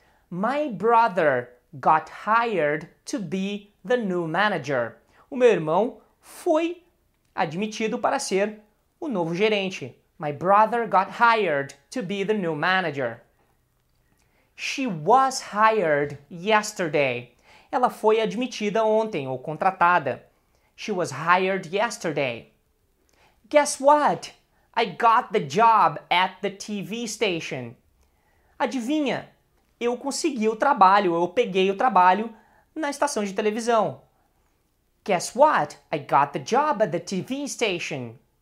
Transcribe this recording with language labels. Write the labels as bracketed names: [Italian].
[English] My brother got hired to be the new manager. [Portuguese] O meu irmão foi admitido para ser o novo gerente. [English] My brother got hired to be the new manager. She was hired yesterday. [Portuguese] Ela foi admitida ontem ou contratada. [English] She was hired yesterday. Guess what? I got the job at the TV station. [Portuguese] Adivinha? Eu consegui o trabalho, eu peguei o trabalho na estação de televisão. [English] Guess what? I got the job at the TV station.